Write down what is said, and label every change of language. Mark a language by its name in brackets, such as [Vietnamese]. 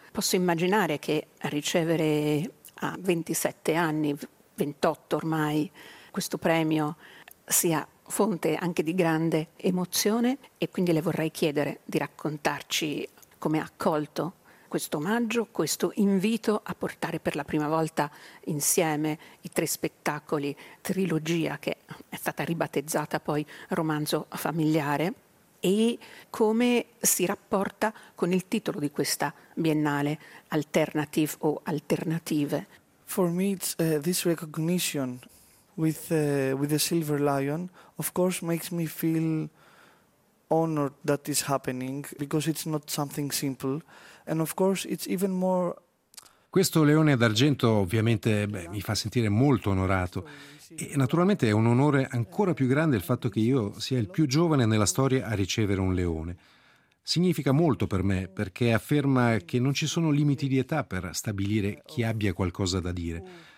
[Italian] Posso immaginare che ricevere a 27 anni, 28 ormai, questo premio sia fonte anche di grande emozione, e quindi le vorrei chiedere di raccontarci come ha accolto questo omaggio, questo invito a portare per la prima volta insieme i tre spettacoli, trilogia che è stata ribattezzata poi romanzo familiare, e come si rapporta con il titolo di questa biennale, Alternative o Alternative. [English] For me it's this recognition with the Silver Lion of course makes me feel honored that is happening, because it's not something simple, and of course it's even more. [Italian] Questo Leone d'Argento ovviamente mi fa sentire molto onorato. E naturalmente è un onore ancora più grande il fatto che io sia il più giovane nella storia a ricevere un leone. Significa molto per me, perché afferma che non ci sono limiti di età per stabilire chi abbia qualcosa da dire.